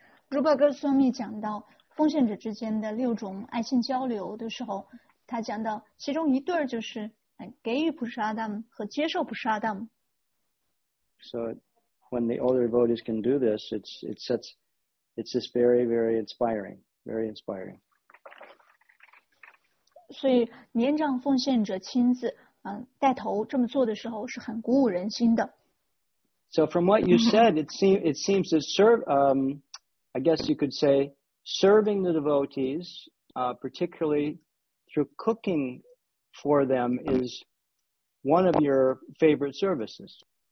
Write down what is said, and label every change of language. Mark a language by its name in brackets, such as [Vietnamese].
[Chinese] Rupa Goswami 讲到, 奉献者之间的六种爱心交流的时候, 他讲到, 其中一对就是, 给予prasadam和接受prasadam。 [English] So when the older devotees can do this, it's just very, very inspiring. Very inspiring. [Chinese] 所以年长奉献者亲自, 带头这么做的时候是很鼓舞人心的。 [English] So from what you said, it seems to serve, I guess you could say, serving the devotees, particularly through cooking for them, is one of your favorite services.